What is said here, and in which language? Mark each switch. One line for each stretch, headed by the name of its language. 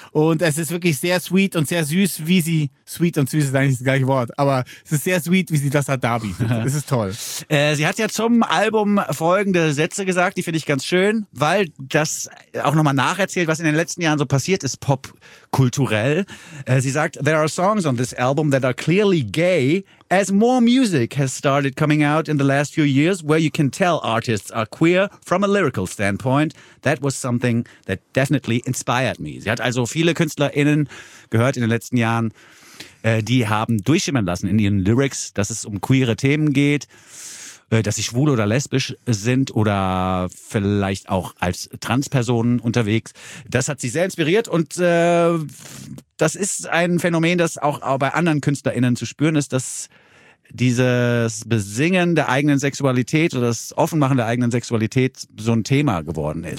German: Und es ist wirklich sehr sweet und sehr süß, wie sie, sweet und süß ist eigentlich das gleiche Wort, aber es ist sehr sweet, wie sie das hat darbietet. Es ist toll. Sie hat ja zum Album folgende Sätze gesagt, die finde ich ganz schön, weil das auch nochmal nacherzählt, was in den letzten Jahren so passiert ist, popkulturell. Sie sagt,
English: there are songs on this album that are clearly gay, as more music has started coming out in the last few years, where you can tell artists are queer from a lyrical standpoint. That was something that definitely inspired me.
German: Sie hat also viele KünstlerInnen gehört in den letzten Jahren, die haben durchschimmern lassen in ihren Lyrics, dass es um queere Themen geht, dass sie schwul oder lesbisch sind oder vielleicht auch als Transpersonen unterwegs. Das hat sie sehr inspiriert und das ist ein Phänomen, das auch bei anderen KünstlerInnen zu spüren ist, dass dieses Besingen der eigenen Sexualität oder das Offenmachen der eigenen Sexualität so ein Thema geworden ist.